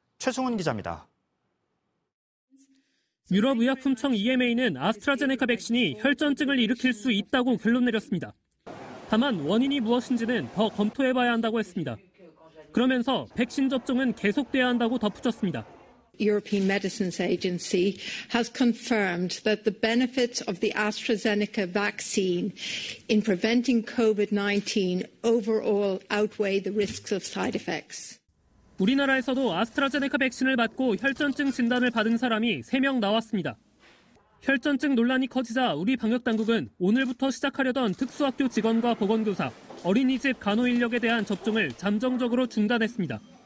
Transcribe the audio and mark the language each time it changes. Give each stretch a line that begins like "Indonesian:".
Korean: 최승훈 기자입니다. 유럽의약품청 EMA는 아스트라제네카 백신이 혈전증을 일으킬 수 있다고 결론 내렸습니다. 다만 원인이 무엇인지는 더 검토해봐야 한다고 했습니다. 그러면서 백신 접종은 계속돼야 한다고 덧붙였습니다.
English: European Medicines Agency has confirmed that the benefits of the AstraZeneca vaccine in preventing COVID-19 overall outweigh the risks of side effects.
Korean: 우리나라에서도 아스트라제네카 백신을 맞고 혈전증 진단을 받은 사람이 3명 나왔습니다. 혈전증 논란이 커지자 우리 방역당국은 오늘부터 시작하려던 특수학교 직원과 보건교사, 어린이집 간호인력에 대한 접종을 잠정적으로 중단했습니다.